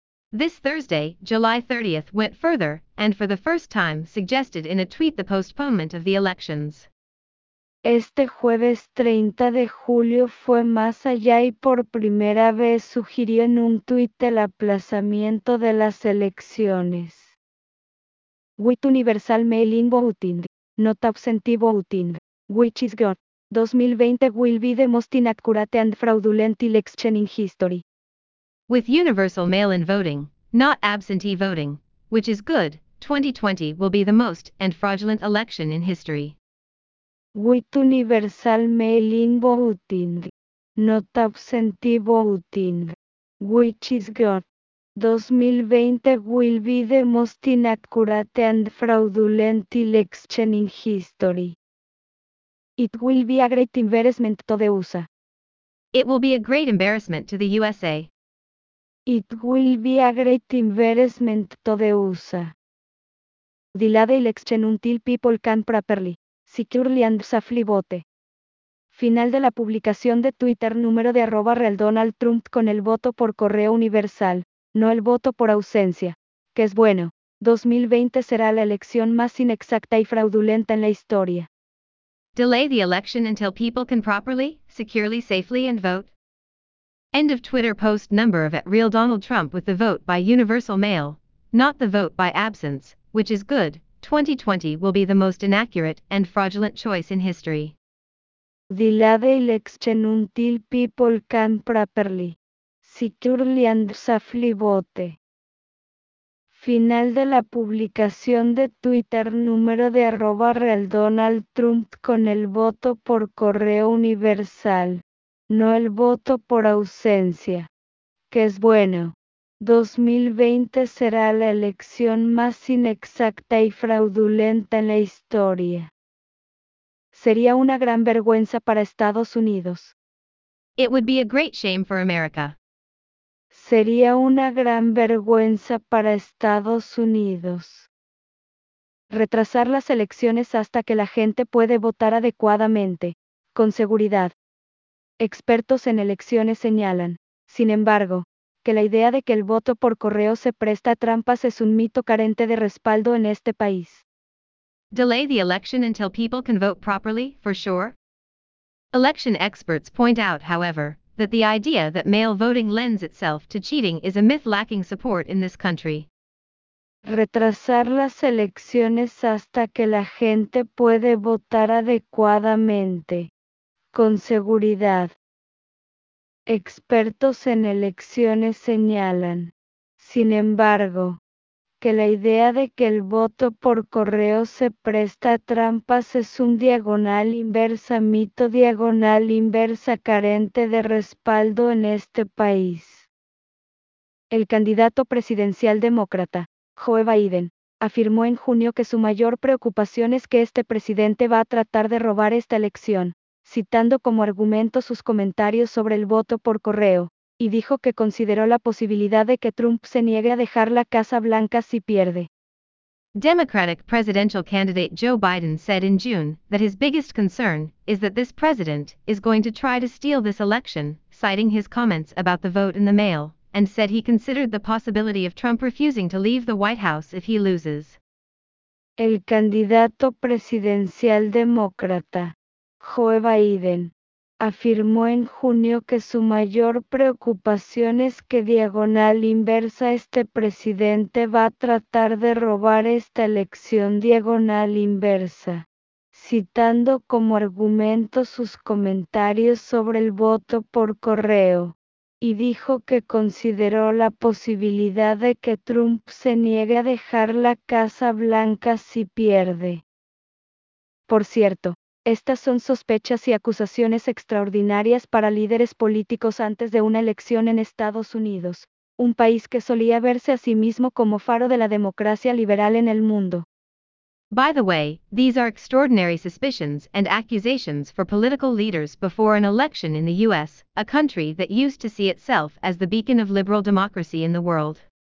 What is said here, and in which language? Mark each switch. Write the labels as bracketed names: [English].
[English] This Thursday, July 30th, went further, and for the first time suggested in a tweet the postponement of the elections. [Spanish] Este jueves 30 de julio fue más allá y por primera vez sugirió en un tuit el aplazamiento de las elecciones. [English] With universal mail-in voting, not absentee voting, which is gone, 2020 will be the most inaccurate and fraudulent election in history. With universal mail-in voting, not absentee voting, which is good, 2020 will be the most and fraudulent election in history. With universal mail-in voting, not absentee voting, which is good, 2020 will be the most inaccurate and fraudulent election in history. It will be a great embarrassment to the USA. It will be a great embarrassment to the USA. It will be a great embarrassment to the USA. Delay election until people can properly, securely and safely vote. [Spanish] Final de la publicación de Twitter número de arroba real Donald Trump con el voto por correo universal, no el voto por ausencia. Que es bueno, 2020 será la elección más inexacta y fraudulenta en la historia. [English] Delay the election until people can properly, securely, safely and vote. End of Twitter post number of @RealDonaldTrump with the vote by universal mail, not the vote by absence, which is good, 2020 will be the most inaccurate and fraudulent choice in history. Delay the election until people can properly, securely and safely vote. [Spanish] Final de la publicación de Twitter número de arroba real Donald Trump con el voto por correo universal, no el voto por ausencia. Que es bueno. 2020 será la elección más inexacta y fraudulenta en la historia. Sería una gran vergüenza para Estados Unidos. [English] It would be a great shame for America. [Spanish] Sería una gran vergüenza para Estados Unidos. Retrasar las elecciones hasta que la gente puede votar adecuadamente, con seguridad. Expertos en elecciones señalan, sin embargo, que la idea de que el voto por correo se presta a trampas es un mito carente de respaldo en este país. [English] Delay the election until people can vote properly, for sure. Election experts point out, however, that the idea that mail voting lends itself to cheating is a myth lacking support in this country. [Spanish] Retrasar las elecciones hasta que la gente puede votar adecuadamente. Con seguridad. Expertos en elecciones señalan, sin embargo, que la idea de que el voto por correo se presta a trampas es un diagonal inversa mito diagonal inversa carente de respaldo en este país. El candidato presidencial demócrata, Joe Biden, afirmó en junio que su mayor preocupación es que este presidente va a tratar de robar esta elección, citando como argumento sus comentarios sobre el voto por correo, y dijo que consideró la posibilidad de que Trump se niegue a dejar la Casa Blanca si pierde. [English] Democratic presidential candidate Joe Biden said in June that his biggest concern is that this president is going to try to steal this election, citing his comments about the vote in the mail, and said he considered the possibility of Trump refusing to leave the White House if he loses. [Spanish] El candidato presidencial demócrata, Joe Biden, afirmó en junio que su mayor preocupación es que diagonal inversa este presidente va a tratar de robar esta elección diagonal inversa, citando como argumento sus comentarios sobre el voto por correo, y dijo que consideró la posibilidad de que Trump se niegue a dejar la Casa Blanca si pierde. Por cierto, estas son sospechas y acusaciones extraordinarias para líderes políticos antes de una elección en Estados Unidos, un país que solía verse a sí mismo como faro de la democracia liberal en el mundo. [English] By the way, these are extraordinary suspicions and accusations for political leaders before an election in the US, a country that used to see itself as the beacon of liberal democracy in the world.